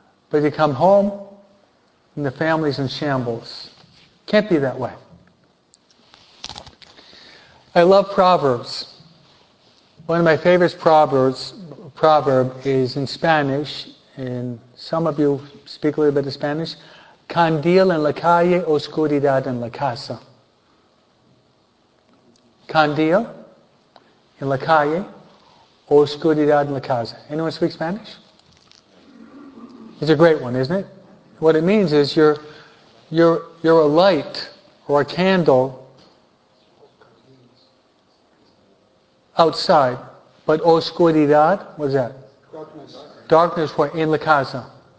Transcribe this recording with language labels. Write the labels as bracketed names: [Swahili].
[English] But you come home and the family's in shambles. Can't be that way. I love Proverbs. One of my favorite proverb is in Spanish, and some of you speak a little bit of Spanish. [Spanish] Candil en la calle, oscuridad en la casa. Candil en la calle, oscuridad en la casa. [English] Anyone speak Spanish? It's a great one, isn't it? What it means is you're a light or a candle outside, but oscuridad, what's that? Darkness. Darkness in [Spanish] la casa.